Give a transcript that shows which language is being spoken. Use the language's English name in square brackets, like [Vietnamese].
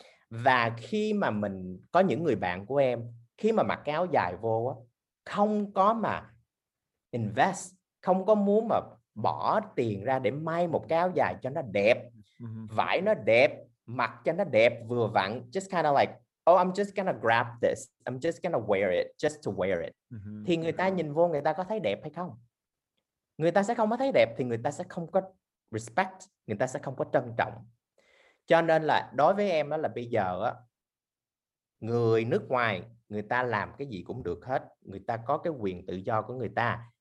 [Vietnamese] Và khi mà mình có những người bạn của em khi mà mặc áo dài vô đó, không có mà invest, không có muốn mà bỏ tiền ra để may một cái áo dài cho nó đẹp, vải nó đẹp, mặc cho nó đẹp vừa vặn, [English] just kind of like oh, I'm just gonna grab this. I'm just gonna wear it, just to wear it. Mm-hmm. [Vietnamese] Thì người ta nhìn vô người ta có thấy đẹp hay không? Người ta sẽ không có thấy đẹp thì người ta sẽ không có respect, người ta sẽ không có trân trọng. Cho nên là đối với em đó là bây giờ á, người nước ngoài người ta làm cái gì cũng được hết, người ta có cái quyền tự do của người ta.